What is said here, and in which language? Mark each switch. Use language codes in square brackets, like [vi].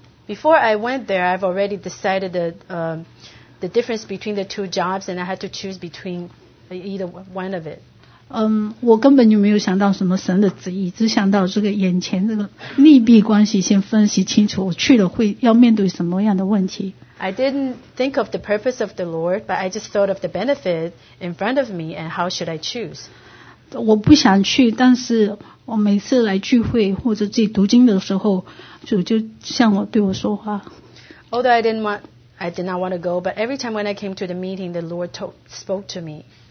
[en] Before I went there, I've already decided the difference between the two jobs, and I had to choose between either one of it. [zh] 我根本就没有想到什么神的旨意，只想到这个眼前这个利弊关系先分析清楚，我去了会要面对什么样的问题。 [en] I didn't think of the purpose of the Lord, but I just thought of the benefit in front of me, and how should I choose? [zh] 我不想去，但是我每次来聚会或者自己读经的时候，主就向我对我说话。 [en] Although I did not want to go, but every time when I came to the meeting, the Lord spoke to me.